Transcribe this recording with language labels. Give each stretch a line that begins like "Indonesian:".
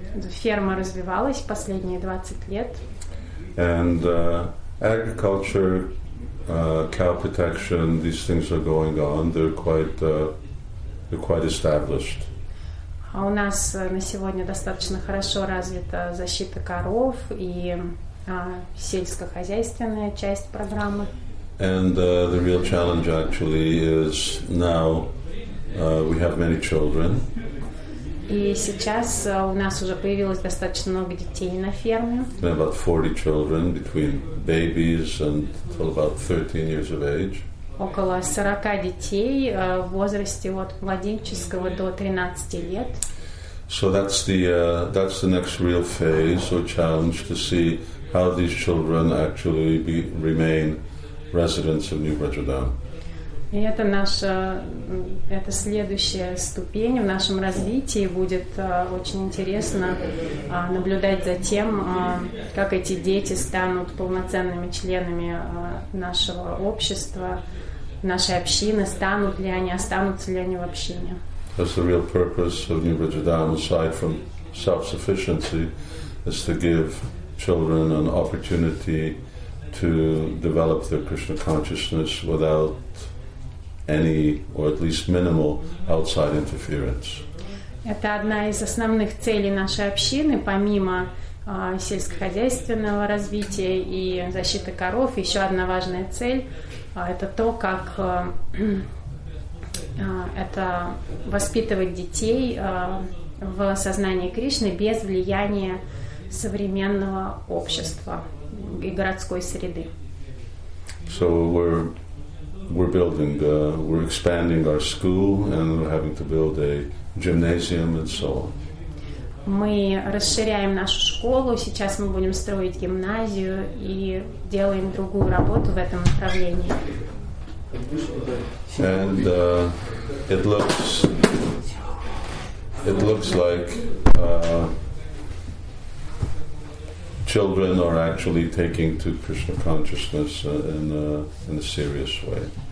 Russian: Ферма развивалась последние 20 лет.
English: And agriculture, cow protection, these things are going on. They're quite established.
Russian: А у нас на сегодня достаточно хорошо развита защита коров и сельскохозяйственная часть программы.
English: And the real challenge actually is now we have many children.
Russian: И сейчас у нас уже появилось достаточно много детей на ферме.
English: About 40 children between babies and till about 13 years of age.
Russian: Около 40 детей в возрасте от младенческого до 13 лет.
English: So that's the next real phase or challenge to see how these children actually remain residents of New Rajadham.
Russian: И это наша, это следующая ступень в нашем развитии. Будет очень интересно наблюдать за тем, как эти дети станут полноценными членами нашего общества, нашей общины, станут ли они, останутся ли они в общине.
English: That's the real purpose of New Vrindavan, aside from self-sufficiency, is to give children an opportunity to develop their Krishna consciousness without any, or at least minimal, outside interference.
Russian: Это одна из основных целей нашей общины, помимо сельскохозяйственного развития и защиты коров. Еще одна важная цель – это то, как это воспитывать детей в сознании Кришны без влияния современного общества и городской среды.
English: So we're building, we're expanding our school and we're having to build a gymnasium and so on.
Russian: Мы расширяем нашу школу, сейчас мы будем строить гимназию и делаем другую работу в этом направлении.
English: And it looks like children are actually taking to Krishna consciousness in a serious way.